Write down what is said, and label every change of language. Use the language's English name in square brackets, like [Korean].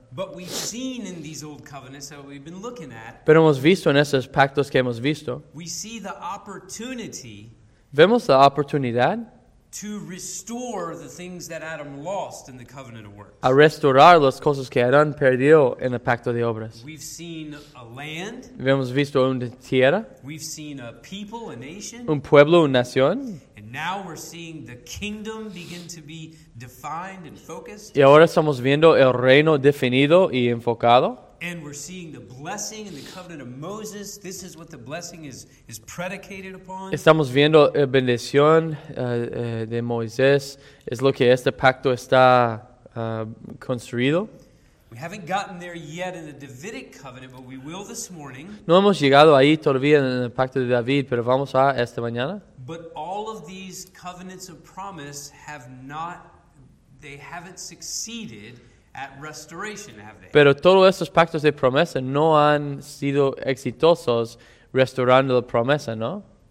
[English] But we've seen in these old covenants that we've been looking at, [Spanish] Pero hemos visto en esos pactos que hemos visto, [English] we see the opportunity, [Spanish] vemos la oportunidad, [English] to restore the things that Adam lost in the covenant of works. [Spanish] A restaurar las cosas que Adán perdió en el pacto de obras. [English] We've seen a land, [Spanish] hemos visto una tierra, [English] we've seen a people, a nation, [Spanish] un pueblo, una nación. [English] Now we're seeing the kingdom begin to be defined and focused. [Spanish] Y ahora estamos viendo el reino definido y enfocado. [English] And we're seeing the blessing in the covenant of Moses. This is what the blessing is predicated upon. [Spanish] Estamos viendo la bendición de Moisés. Es lo que este pacto está construido. [English] We haven't gotten there yet in the Davidic covenant, but we will this morning. [Spanish] No hemos llegado ahí todavía en el pacto de David, pero vamos a esta mañana. [English] But all of these covenants of promise have not, they haven't succeeded at restoration, have they? [Spanish] Pero todos estos pactos de promesa no han sido exitosos restaurando la promesa, ¿no?